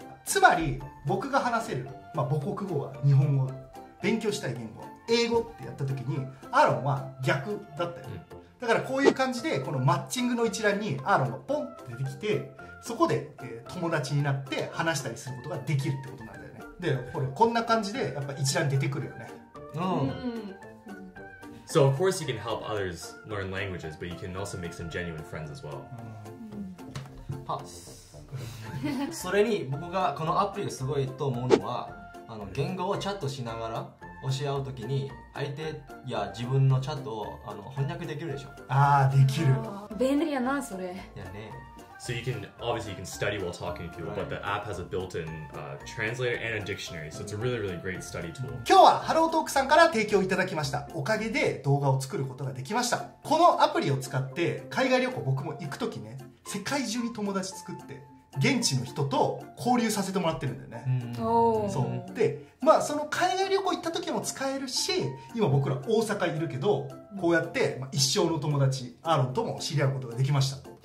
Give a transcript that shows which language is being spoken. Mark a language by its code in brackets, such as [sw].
[ja] つまり僕が話せる、まあ、母国語は日本語、勉強したい言語は英語ってやった時にアーロンは逆だったよ、うん、だからこういう感じでこのマッチングの一覧にアーロンがポンって出てきて、そこで、友達になって話したりすることができるってことなんだよね。でこれこんな感じでやっぱ一覧出てくるよね。 [en] So of course you can help others learn languages, but you can also make some genuine friends as well、 [ja] それに僕がこのアプリがすごいと思うのは、言語をチャットしながら教え合うときに相手や自分のチャットを翻訳できるでしょ。ああできる、便利やなそれ。やね。 [en] So you can obviously you can study while talking to people, but the app has a built-in translator and a dictionary, so it's a really really great study tool. [ja] 今日はハロートークさんから提供いただきました。おかげで動画を作ることができました。このアプリを使って海外旅行僕も行くときね、世界中に友達作って現地の人と交流させてもらってるんだよね。そうで、まあその海外旅行行った時も使えるし、今僕ら大阪いるけど、こうやって、まあ、一生の友達アーロンとも知り合うことができました。